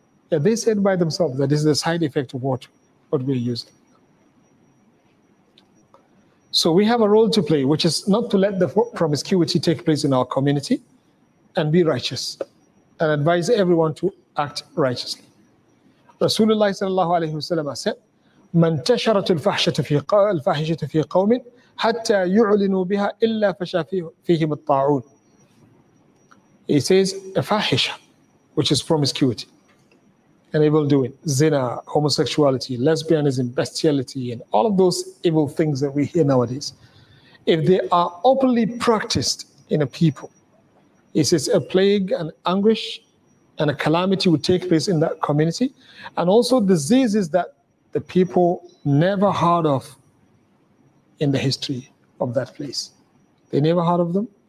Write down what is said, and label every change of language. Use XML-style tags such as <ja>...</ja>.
<en>Yeah, they said by themselves that this is the side effect of what we're using. So we have a role to play, which is not to let the promiscuity take place in our community and be righteous and advise everyone to act righteously. Rasulullah sallallahu alayhi wa sallam said,</en> <ar>من تشرت الفاحشة في قوم حتى يعلنوا بها إلا فشى فيهم الطاعون.</ar> <en>He says, a fahisha, which is promiscuity, and evil doing, zina, homosexuality, lesbianism, bestiality, and all of those evil things that we hear nowadays. If they are openly practiced in a people, he says, a plague and anguish and a calamity would take place in that community, and also diseases that the people never heard of in the history of that place. They never heard of them.</en>